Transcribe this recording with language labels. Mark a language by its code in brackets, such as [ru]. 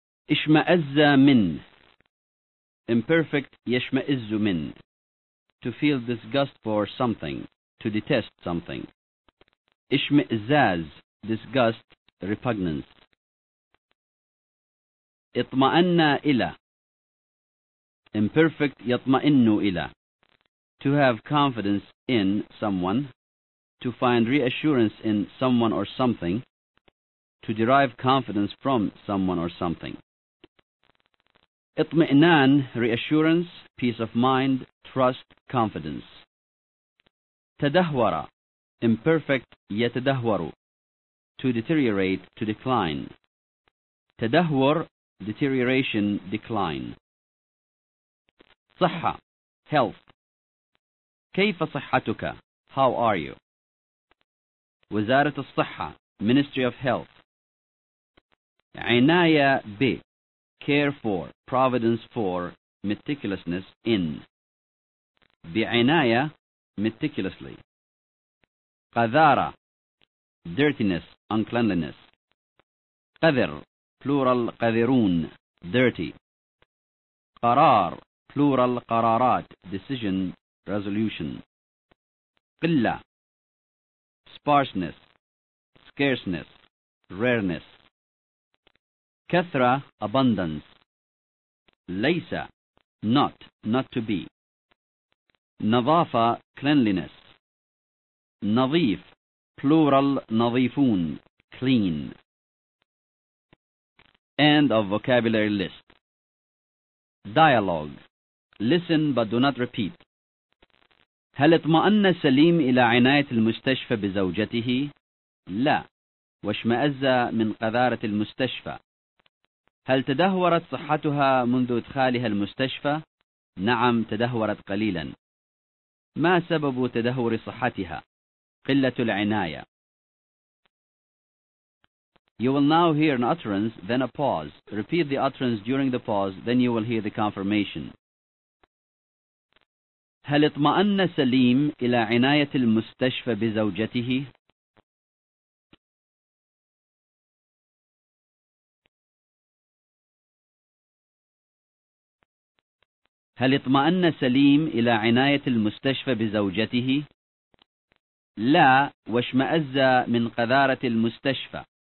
[en] إشمأز من, imperfect يشمأز من, to feel disgust for something, to detest something. إشمئزاز, disgust, repugnance. [ar] إطمأن إلى, imperfect يطمئن إلى. [en] To have confidence in someone, to find reassurance in someone or something, to derive confidence from someone or something. اطمئنان, reassurance, peace of mind, trust, confidence. تدهور, imperfect يتدهور, to deteriorate, to decline. تدهور, deterioration, decline. صحة, health. [ar] كيف صحتك؟ [en] How are you? وزارة الصحة, Ministry of Health. عناية ب, care for, providence for, meticulousness in. بعناية, meticulously. قذارة, dirtiness, uncleanliness. قذر, plural قذرون, dirty. قرار, plural قرارات, decision, resolution. قلة, sparseness, scarceness, rareness. كثرة, abundance. ليس, not, not to be. نظافة, cleanliness. نظيف, plural نظيفون, clean. End of vocabulary list. Dialogue. Listen but do not repeat. [ar] هل اطمأن سليم إلى عناية المستشفى بزوجته؟ لا. واشمأز من قذارة المستشفى. هل تدهورت صحتها منذ إدخالها المستشفى؟ نعم تدهورت قليلا. ما سبب تدهور صحتها؟ قلة العناية. [en] You will now hear an utterance, then a pause. Repeat the utterance during the pause, then you will hear the confirmation. [ar] هل اطمأن سليم إلى عناية المستشفى بزوجته؟ هل اطمأن سليم إلى عناية المستشفى بزوجته؟ لا، واشمأز من قذارة المستشفى.